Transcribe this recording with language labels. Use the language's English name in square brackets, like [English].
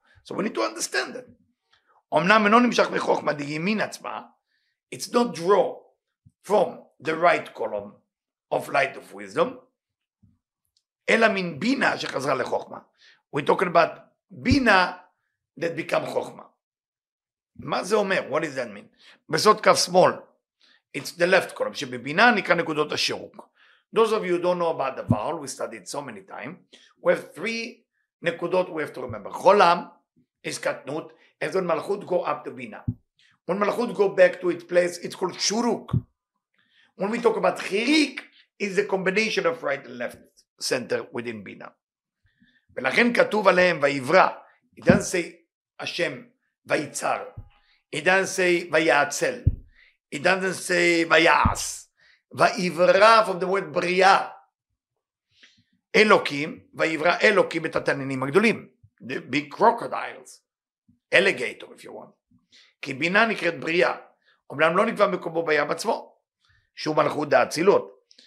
[English] So we need to understand it. [Hebrew] אמנם אינו נמשך מחוכמה דימין עצמה, [English] it's not draw from the right column of light of wisdom, [Hebrew] אלא מן בינה שחזרה לחוכמה. [English] We're talking about בינה that become חוכמה. [Hebrew] מה זה אומר? [English] What does that mean? [Hebrew] בסוד קו שמאל, [English] it's the left column, [Hebrew] שבבינה נקרא נקודות השירוק. [English] Those of you who don't know about the vowel, we studied so many times, we have three נקודות we have to remember. חולם is קטנות, and when מלכות go up to בינה. When מלכות go back to its place, it's called שירוק. When we talk about חיריק, it's the combination of right and left center within בינה. [Hebrew] ולכן כתוב עליהם ועברה, [English] it doesn't say [Hebrew] השם ויצר, it doesn't say ויעצל, it doesn't say ויעס, ועברה from the word בריאה, אלוקים, ועברה אלוקים את התננים הגדולים, [English] the big crocodiles, alligator if you want, [Hebrew] כי בינה נקראת בריאה, אומנם לא נקבע מקומו בים עצמו, שהוא מלכות האצילות.